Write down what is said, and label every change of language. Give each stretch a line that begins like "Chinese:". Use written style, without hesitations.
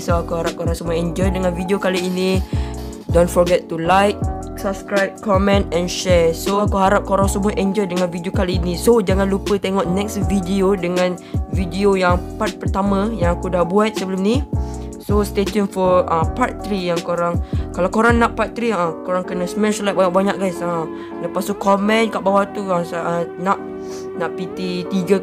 Malay: So aku harap korang semua enjoy dengan video kali ini.
English: Don't forget to like, subscribe, comment and share.
Malay: So aku harap korang semua enjoy dengan video kali ini. So jangan lupa tengok next video dengan video yang part pertama yang aku dah buat sebelum ni.
English: So stay tuned for part 3
Malay: yang korang. Kalau korang nak part 3, korang kena smash like banyak-banyak guys. Lepas tu komen kat bawah tu nak PT 3 ke bagi aku lebih nak untuk membuat video